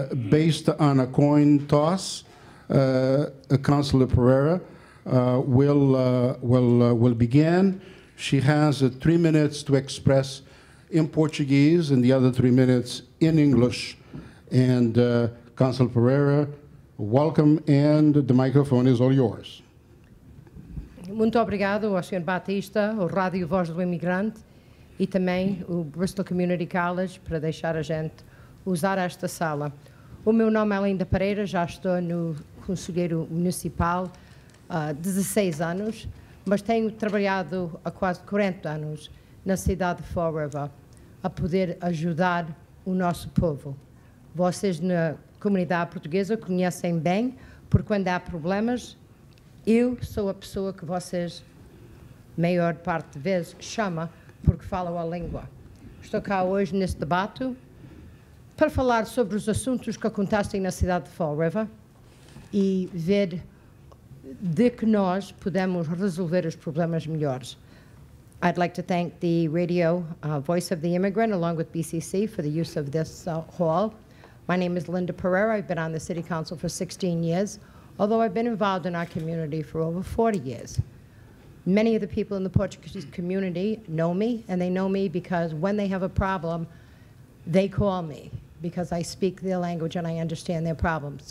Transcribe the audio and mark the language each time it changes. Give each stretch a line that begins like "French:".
English: Based on a coin toss, Councillor Pereira will begin. She has 3 minutes to express in Portuguese and the other 3 minutes in English. And Councillor Pereira, welcome, and the microphone is all yours.
Portuguese: Muito obrigado ao Sr. Batista, ao Rádio Voz do Imigrante e também o Bristol Community College para deixar a gente usar esta sala. O meu nome é Linda Pereira, já estou no Conselheiro Municipal há 16 anos, mas tenho trabalhado há quase 40 anos na cidade de Fall River a poder ajudar o nosso povo. Vocês na comunidade portuguesa conhecem bem, porque quando há problemas, eu sou a pessoa que vocês, maior parte de vezes, chama porque falam a língua. Estou cá hoje neste debate para falar sobre os assuntos que acontecem na cidade de Fall River e ver de que nós podemos resolver os problemas melhores.
English: I'd like to thank the radio Voice of the Immigrant, along with BCC, for the use of this hall. My name is Linda Pereira. I've been on the City Council for 16 years, although I've been involved in our community for over 40 years. Many of the people in the Portuguese community know me, and they know me because when they have a problem, they call me because I speak their language and I understand their problems.